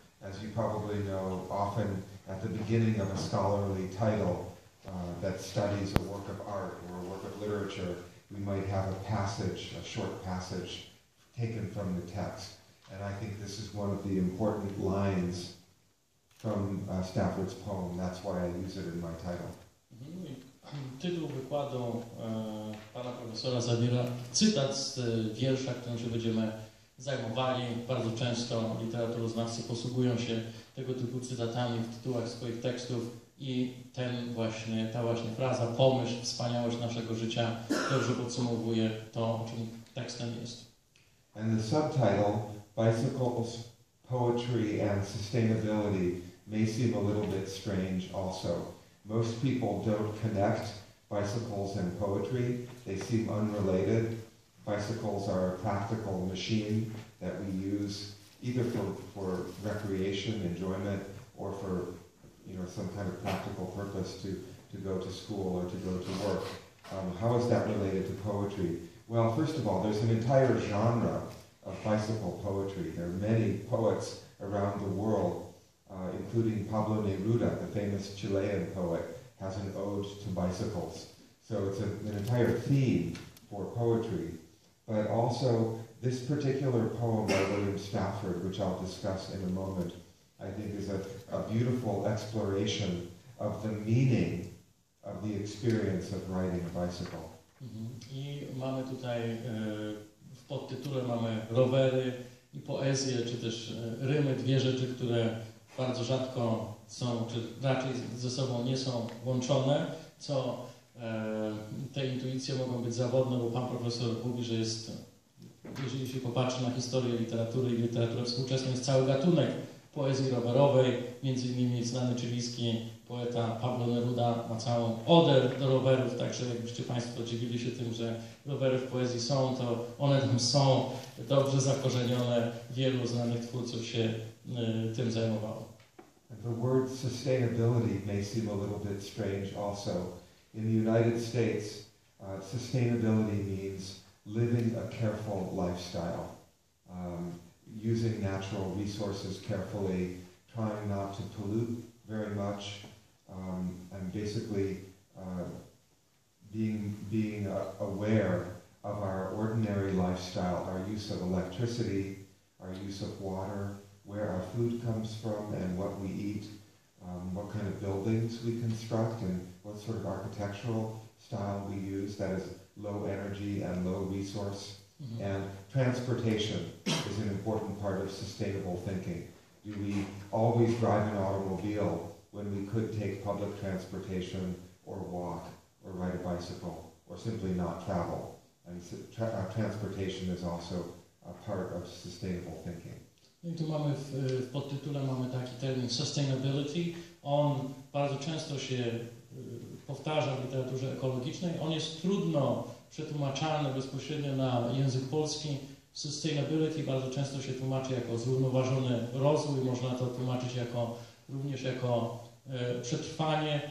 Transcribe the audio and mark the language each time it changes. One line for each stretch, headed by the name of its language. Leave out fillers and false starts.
English: As you probably know, often at the beginning of a scholarly title that studies a work of art or a work of literature, we might have a passage, a short passage, taken from the text. And I think this is one of the important lines from Stafford's poem. That's why I use it in my title.
Polish: Tytuł wykładu pana profesora zawiera cytat z wiersza, którym się będziemy zajmowali. Bardzo często literaturoznawcy posługują się tego typu cytatami w tytułach swoich tekstów i ta właśnie fraza, pomyśl, wspaniałość naszego życia, dobrze podsumowuje to, o czym tekstem jest.
English: And the subtitle, Bicycles, Poetry, and Sustainability, may seem a little bit strange also. Most people don't connect bicycles and poetry. They seem unrelated. Bicycles are a practical machine that we use either for recreation, enjoyment, or for, you know, some kind of practical purpose to go to school or to go to work. How is that related to poetry? Well, first of all, there's an entire genre of bicycle poetry. There are many poets around the world, including Pablo Neruda, the famous Chilean poet, has an ode to bicycles. So it's an entire theme for poetry. But also, this particular poem by William Stafford, which I'll discuss in a moment, I think is a beautiful exploration of the meaning of the experience of riding a bicycle.
Polish: Mm-hmm. I mamy tutaj, w podtytule mamy rowery i poezję, czy też rymy, dwie rzeczy, które bardzo rzadko są, czy raczej ze sobą nie są łączone, co te intuicje mogą być zawodne, bo pan profesor mówi, że jest, jeżeli się popatrzy na historię literatury i literaturę współczesną, jest cały gatunek poezji rowerowej, między innymi znany chilijski poeta Pablo Neruda ma całą odę do rowerów, także jakbyście państwo dziwili się tym, że rowery w poezji są, to one tam są dobrze zakorzenione, wielu znanych twórców się tym zajmowało.
English: The word sustainability may seem a little bit strange also. In the United States, sustainability means living a careful lifestyle, using natural resources carefully, trying not to pollute very much, and basically being aware of our ordinary lifestyle, our use of electricity, our use of water, where our food comes from and what we eat, what kind of buildings we construct and what sort of architectural style we use that is low energy and low resource. Mm-hmm. And transportation is an important part of sustainable thinking. Do we always drive an automobile when we could take public transportation or walk or ride a bicycle or simply not travel? And transportation is also a part of sustainable thinking.
Polish: I tu mamy w podtytule mamy taki termin sustainability. On bardzo często się powtarza w literaturze ekologicznej. On jest trudno przetłumaczalny bezpośrednio na język polski. Sustainability bardzo często się tłumaczy jako zrównoważony rozwój. Można to tłumaczyć jako również jako przetrwanie.